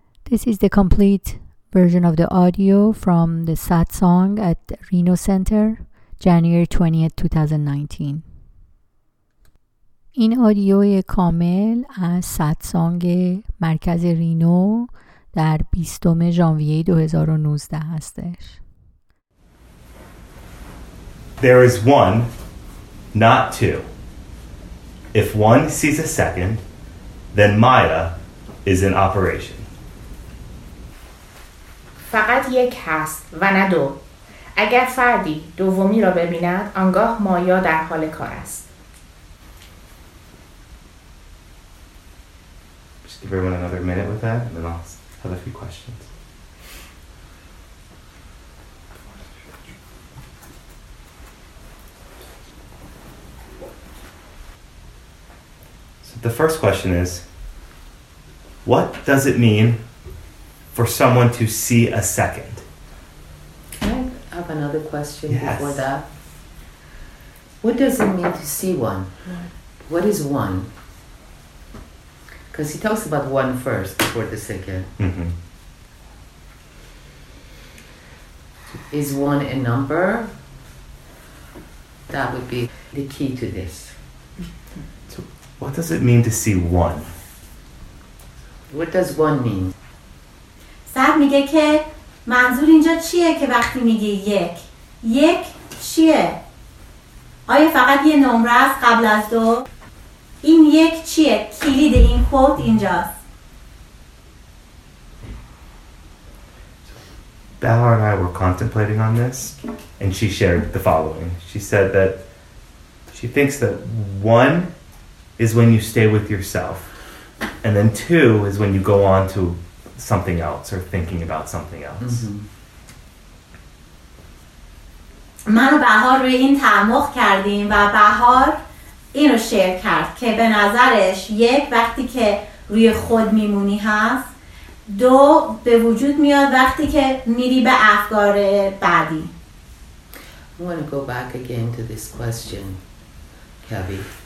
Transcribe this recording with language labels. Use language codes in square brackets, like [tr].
[en] This is the complete version of the audio from the satsang at Reno Center, January 20th, 2019. [fa] این آدیو کامل از ستسانگ مرکز رینو در 20 ژانویه 2019 هستش. [en] There is one, not two. If one sees a second, then Maya is in operation. [fa] فقط یک هست و نه دو. اگر فردی دومی را ببیند، آنگاه مایا در حال کار است. [en] Just give everyone another minute with that, and then I'll have a few questions. So the first question is, what does it mean for someone to see a second? Another question, yes. Before that, what does it mean to see one? What is one? Because he talks about one first before the second. Mm-hmm. Is one a number? That would be the key to this. So what does it mean to see one? What does one mean? [fa] Sad میگه که منظور اینجا چیه که وقتی میگه یک؟ یک چیه؟ آیا فقط یه نمره است قبل از دو؟ این یک چیه؟ کلید این کوت اینجاست. [en] Bahar and I were contemplating on this and she shared the following. She said that she thinks that one is when you stay with yourself and then two is when you go on to something else or thinking about something else. [fa] من و بهار روی این تعمق کردیم و بهار اینو شیر کرد که به نظرش یک وقتی که روی خود میمونی هست، دو به وجود میاد وقتی که میری به افکار بعدی. [en] I want to go back again to this question, Kavi.